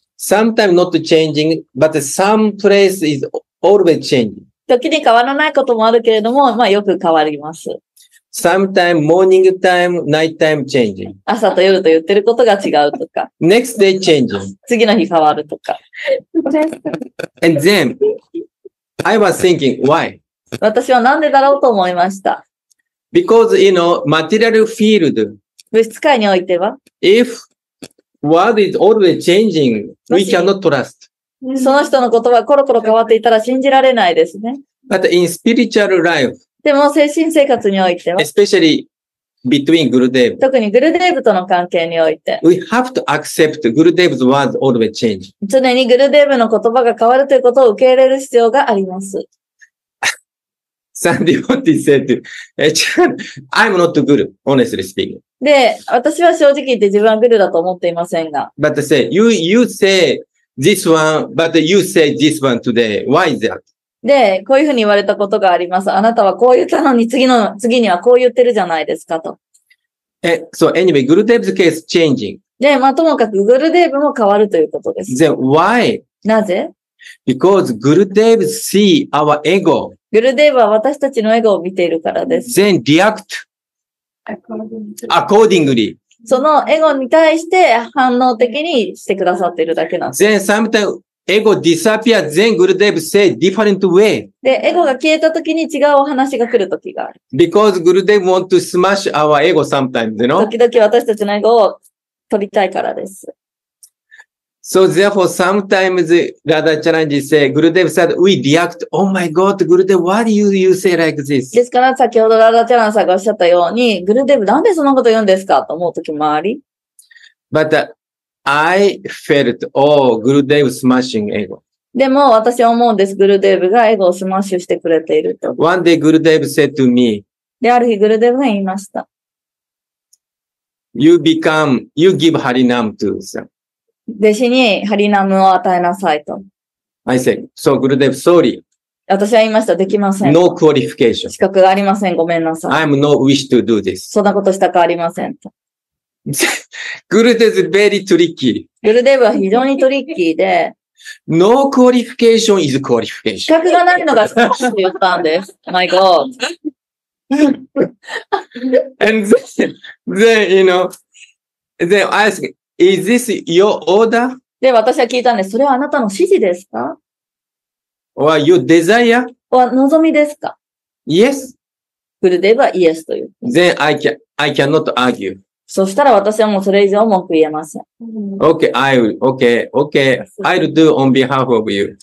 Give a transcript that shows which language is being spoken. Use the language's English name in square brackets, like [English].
[English] Sometimes not changing, but some place is always changing. [Japanese] 時に変わらないこともあるけれども、まあよく変わります。 [English] Sometimes morning time, night time changing. [Japanese] 朝と夜と言ってることが違うとか。 [English] Next day changing. [Japanese] 次の日変わるとか。 [English] And then, I was thinking, why? [Japanese] 私はなんでだろうと思いました。 [English] Because, you know, material field. [Japanese] 物質界においては。 [English] If word is always changing, we cannot trust. [Japanese] その人の言葉がコロコロ変わっていたら信じられないですね。 [English] But in spiritual life. [Japanese] でも精神生活においては。 [English] Especially between Gurudev. [Japanese] 特にグルデーブとの関係において。 [English] We have to accept Gurudev's word always change. [Japanese] 常にグルデーブの言葉が変わるということを受け入れる必要があります。 [English] Some devotees said to, I'm not guru, honestly speaking. [Japanese] で、私は正直言って自分はグルだと思っていませんが。 [English] But say, you say this one, but you say this one today. Why is that? [Japanese] で、こういうふうに言われたことがあります。あなたはこう言ったのに次にはこう言ってるじゃないですかと。 [English] So anyway, Gurudev's case changing. [Japanese] で、まあ、ともかくグルデーブも変わるということです。 [English] Then why? [Japanese] なぜ [English] ?Because グルデーブ see our ego. [Japanese] グルデーブは私たちのエゴを見ているからです。 [English] Then react accordingly. [Japanese] そのエゴに対して反応的にしてくださっているだけなんです。 [English] Then sometimes,エゴ disappear, then Gurudev say different way. [Japanese] で、エゴが消えたときに違うお話が来るときがある。 [English] Because Gurudev want to smash our ego sometimes, you know? [Japanese] 時々私たちのエゴを取りたいからです。 [English] So therefore, sometimes Radha Challenge say, Gurudev said, we react, oh my god, Gurudev, why do you say like this? [Japanese] ですから、先ほど Radha Challenge さんがおっしゃったように、Gurudev なんでそんなこと言うんですかと思うときもあり。 [English] But,I felt, oh, Gurudev smashing ego. [Japanese] でも私は思うんです。グルデーブがエゴをスマッシュしてくれていると。 [English] One day, Gurudev said to me. [Japanese] で、ある日、グルデーブが言いました。 [English] You become, you give Harinam to yourself. [Japanese] 弟子にハリナムを与えなさいと。 [English] I said, so Gurudev, sorry. [Japanese] 私は言いました。できません。 [English] No qualification. [Japanese] 資格がありません。ごめんなさい。 [English] I'm no wish to do this. [Japanese] そんなことしたくありませんと。 [English] グルデーブ is very tricky. [Japanese] グルデーブは非常にトリッキーで。 [English] No qualification is qualification. [Japanese] 資格がないのがスマッシュって言ったんです。 [English] My God. And then, you know, then I ask, is this your order? [Japanese] で、私は聞いたんです。それはあなたの指示ですか? [English] Or your desire? [Japanese] Or 望みですか? [English] Yes. [Japanese] グルデーブは yes と言う。 [English] Then I cannot argue. [Japanese] そしたら私はもうそれ以上文句言えません。 [English] Okay, I will, okay, okay, I'll do on behalf of you.